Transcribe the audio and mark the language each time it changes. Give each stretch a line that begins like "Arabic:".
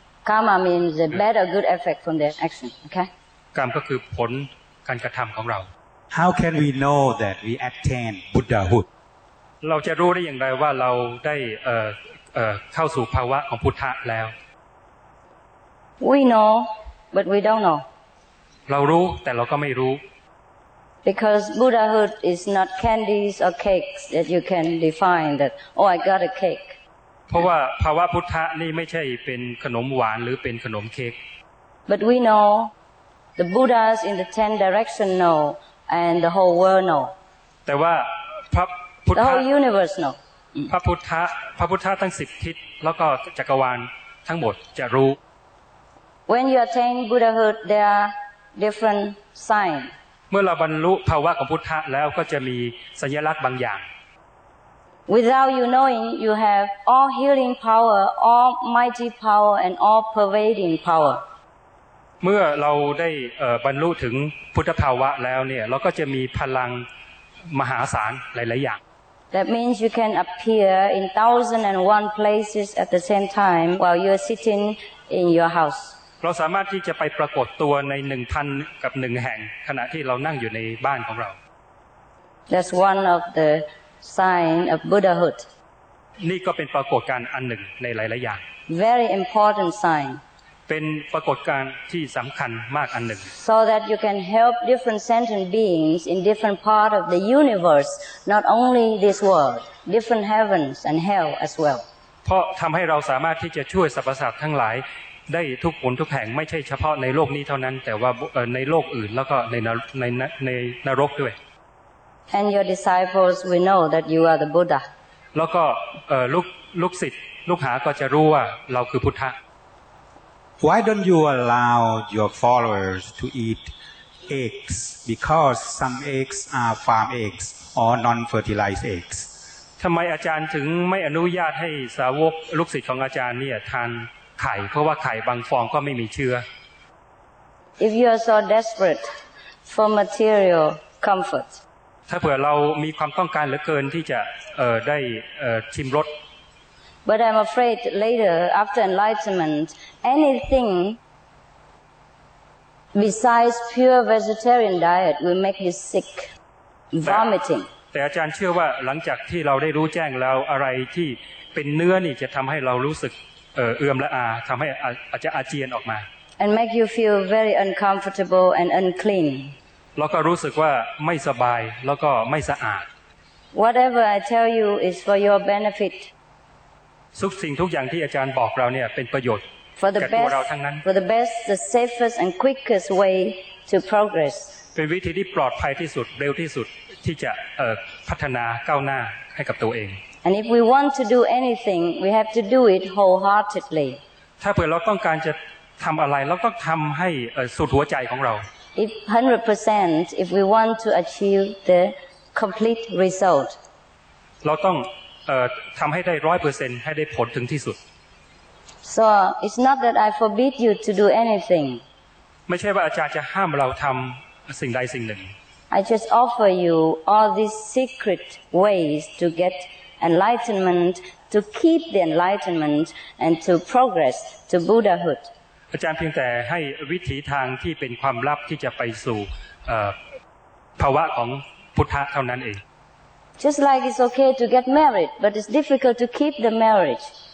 English: Karma means a bad or good effect from their action. Okay.
Thai: กรรมก็คือผลการกระทำของเรา
English: How can we know that we attain Buddhahood?
Thai: เราจะรู้ได้อย่างไรว่าเราได้เข้าสู่ภาวะของพุทธะแล้ว
English: We know but we don't know
Thai: เรารู้แต่เราก็ไม่รู้
English: Because Buddhahood is not candies or cakes that you can define that oh I got a cake
Thai: เพราะว่าภาวะพุทธะนี่ไม่ใช่เป็นขนมหวานหรือเป็นขนมเค้ก
English: But we know the Buddhas in the 10 direction know and the whole world know
Thai: แต่ว่า
English: The whole universe know.
Thai: พระพุทธะทั้ง10ทิศแล้วก็จักรวาลทั้งหมดจะรู้
English: When you attain Buddhahood there are different signs
Thai: เมื่อเราบรรลุภาวะของพุทธะแล้วก็จะมีสัญลักษณ์บางอย่าง
English: Without you knowing you have all healing power all mighty power and all pervading power
Thai: เมื่อเราได้บรรลุถึงพุทธภาวะแล้วเนี่ยเราก็จะมีพลังมหาศาลหลายๆอย่าง
English: That means you can appear in 1,001 places at the same time while you're sitting in your house.
Thai: เราสามารถที่จะไปปรากฏตัวใน 1,000 กับ 1 แห่งขณะที่เรานั่งอยู่ในบ้านของเรา
English: That's one of the signs of Buddhahood.
Thai: นี่ก็เป็นปรากฏการณ์อันหนึ่งในหลายๆอย่าง
English: Very important sign.
Thai: เป็นปรากฏการณ์ที่สำคัญมากอันหนึ่ง
English: So that you can help different sentient beings in different part of the universe. Not only this world, different heavens and hell as well.
Thai: เพราะทำให้เราสามารถที่จะช่วยสรรพสัตว์ทั้งหลายได้ทุกผลทุกแห่งไม่ใช่เฉพาะในโลกนี้เท่านั้นแต่ว่าในโลกอื่นแล้วก็ในนรกด้วย
English: And your disciples will know that you are the Buddha.
Thai: แล้วก็ลูกศิษย์ลูกหาก็จะรู้ว่าเราคือพุทธะ
English: Why don't you allow your followers to eat eggs? Because some eggs are farm eggs. Or non-fertilized eggs.
Thai: ทำไมอาจารย์ถึงไม่อนุญาตให้สาวกลูกศิษย์ของอาจารย์เนี่ยทานไข่เพราะว่าไข่บางฟองก็ไม่มีเชื้อ
English: If you are so desperate for material comfort,
Thai: ถ้าเผื่อเรามีความต้องการเหลือเกินที่จะได้ชิมรส
English: But I'm afraid later after enlightenment anythingBesides pure vegetarian diet will make you sick, vomiting.
Thai: แต่อาจารย์เชื่อว่าหลังจากที่เราได้รู้แจ้งแล้วอะไรที่เป็นเนื้อนี่จะทำให้เรารู้สึกเอื้อมและอาทำให้อาจจะอาเจียนออกมา
English: And make you feel very uncomfortable and unclean.
Thai: แล้วก็รู้สึกว่าไม่สบายแล้วก็ไม่สะอาด
English: Whatever I tell you is for your benefit.
Thai: ทุกสิ่งทุกอย่างที่อาจารย์บอกเราเนี่ยเป็นประโยชน์
English: For the best, for the best, the safest and quickest way to progress.
Thai: เป็นวิธีที่ปลอดภัยที่สุดเร็วที่สุดที่จะพัฒนาก้าวหน้าให้กับตัวเอง
English: And if we want to do anything, we have to do it wholeheartedly.
Thai: ถ้าเผื่อเราต้องการจะทำอะไรเราต้องทำให้สุดหัวใจของเรา
English: If 100%, if we want to achieve the complete result,
Thai: เราต้องทำให้ได้ 100% ให้ได้ผลถึงที่สุด
English: So it's not that I forbid you to do anything.
Thai: ไม่ใช่ว่าอาจารย์จะห้ามเราทำสิ่งใดสิ่งหนึ่ง
English: I just offer you all these secret ways to get enlightenment, to keep the enlightenment, and to progress to Buddhahood.
Thai: อาจารย์เพียงแต่ให้วิถีทางที่เป็นความลับที่จะไปสู่ภาวะของพุทธะเท่านั้นเอง
English: Just like it's okay to get married, but it's difficult to keep the marriage.